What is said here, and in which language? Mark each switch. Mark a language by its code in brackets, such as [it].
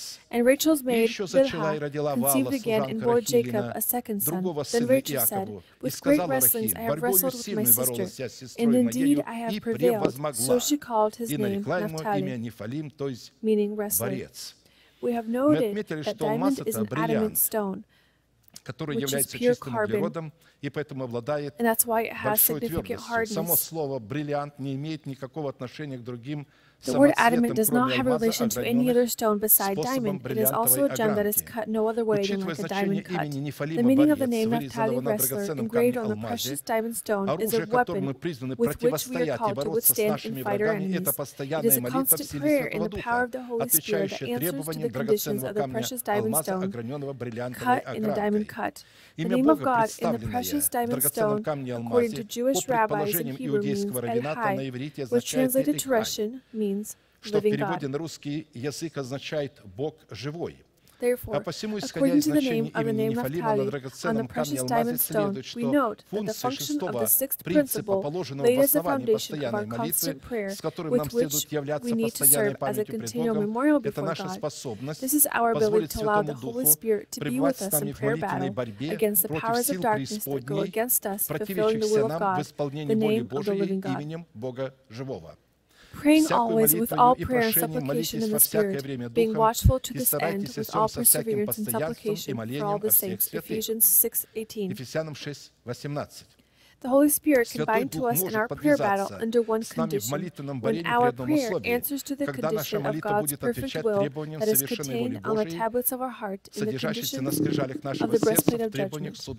[en] And Rachel's maid, Bilhah, conceived again and bore Jacob a second son. Then Rachel said, with great wrestlings I have wrestled with my sister, and indeed I have prevailed. So she called his name Naphtali, meaning wrestler. We have noted that diamond is an adamant stone, [ru] который является чистым углеводом и поэтому обладает большой твердостью. Само слово «бриллиант» не имеет никакого отношения к другим [en] The word adamant does not have relation to any other stone beside diamond. It is also a gem that is cut no other way than like a diamond cut. The meaning of the name Naphtali wrestler engraved on the precious diamond stone is a weapon with which we are called to withstand and fight our enemies. It is a constant prayer in the power of the Holy Spirit that answers to the conditions of the precious diamond stone cut in a diamond cut. The name of God in the precious diamond stone, according to Jewish rabbis and Hebrew means Эль-Хай, was translated to Russian, means living God. [ru] Что в переводе на русский язык означает Бог живой. [en] Therefore, [ru] а посему, исходя из значения имени Нефалима на драгоценном камне алмазе, следует, что функция шестого принципа, положенного в основании постоянной молитвы, с которым нам следует являться постоянной памятью пред Богом, это наша способность позволить Святому Духу пребывать с нами в молитвенной борьбе против сил преисподней, противящихся нам в исполнении воли Божией именем Бога Живого. [en] Praying always with all prayer and supplication in the Spirit, being watchful to this end with all perseverance and supplication for all the saints. Ephesians 6:18. The Holy Spirit can bind to us in our prayer battle under one condition, when our prayer answers to the condition of God's perfect will that is contained on the tablets of our heart in the condition of the breastplate of judgment.